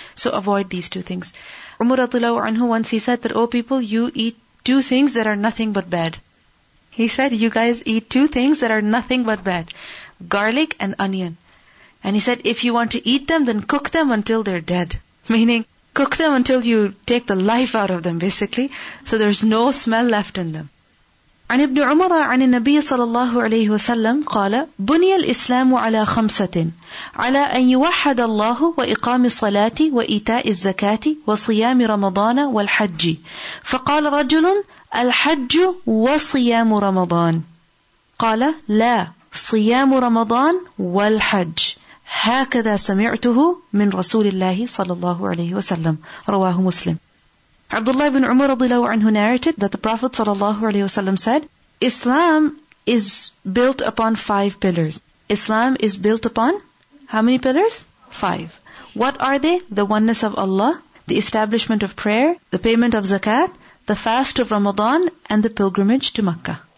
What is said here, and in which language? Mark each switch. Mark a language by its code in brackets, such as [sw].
[en] So avoid these two things. Umar radhiyallahu anhu once he said that, oh people, you eat two things that are nothing but bad. He said, you guys eat two things that are nothing but bad. Garlic and onion. And he said, if you want to eat them, then cook them until they're dead. Meaning, cook them until you take the life out of them, basically. So there's no smell left in them. [ar] عن ابن عمر عن النبي صلى الله عليه وسلم قال بني الإسلام على خمسة على أن يوحد الله وإقام الصلاة وإيتاء الزكاة وصيام رمضان والحج فقال رجل الحج وصيام رمضان قال لا صيام رمضان والحج هكذا سمعته من رسول الله صلى الله عليه وسلم رواه مسلم. [en] Abdullah ibn Umar radiallahu anhu narrated that the Prophet sallallahu alaihi wasallam said, Islam is built upon five pillars. Islam is built upon how many pillars? Five. What are they? The oneness of Allah, the establishment of prayer, the payment of zakat, the fast of Ramadan, and the pilgrimage to Makkah.